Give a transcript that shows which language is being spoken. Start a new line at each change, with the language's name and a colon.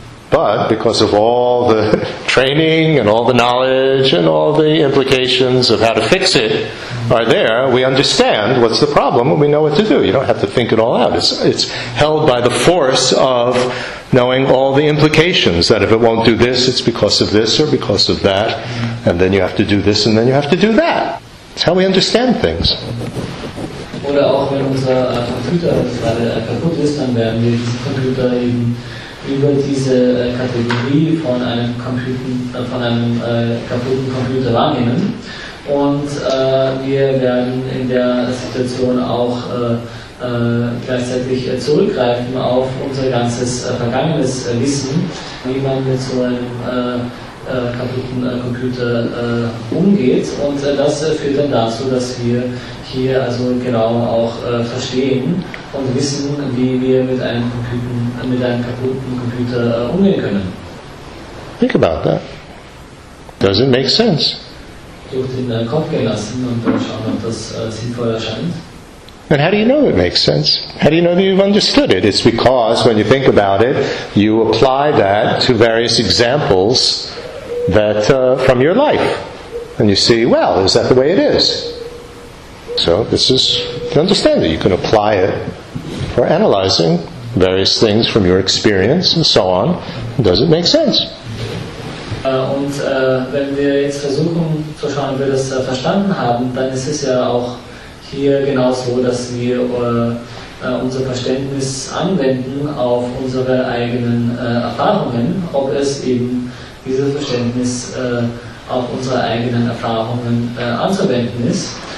English: But because of all the training and all the knowledge and all the implications of how to fix it are there, we understand what's the problem and we know what to do. You don't have to think it all out. It's held by the force of knowing all the implications, that if it won't do this, it's because of this or because of that, and then you have to do this and then you have to do that. It's how we understand things.
German: Oder auch wenn unser Computer gerade kaputt ist, dann werden wir diesen Computer eben über diese Kategorie von einem Computer, von einem kaputten Computer wahrnehmen. Und wir werden in der Situation auch gleichzeitig zurückgreifen auf unser ganzes vergangenes Wissen, wie man mit so einem kaputten Computer umgeht. Und das führt dann dazu, dass wir hier also genau auch verstehen und wissen, wie wir mit einem Computer, mit einem kaputten Computer umgehen können.
English: Think about that. Does it make sense?
German: Durch den Kopf gehen lassen und dann schauen, ob das sinnvoll erscheint.
English: And how do you know it makes sense? How do you know that you've understood it? It's because when you think about it, you apply that to various examples that from your life. And you see, well, is that the way it is? So this is to understand it. You can apply it for analyzing various things from your experience and so on. Does it make sense?
German: Wenn wir jetzt versuchen zu schauen, ob wir das verstanden haben, dann ist es ja auch hier genauso, dass wir unser Verständnis anwenden auf unsere eigenen Erfahrungen, ob es eben dieses Verständnis auf unsere eigenen Erfahrungen anzuwenden ist.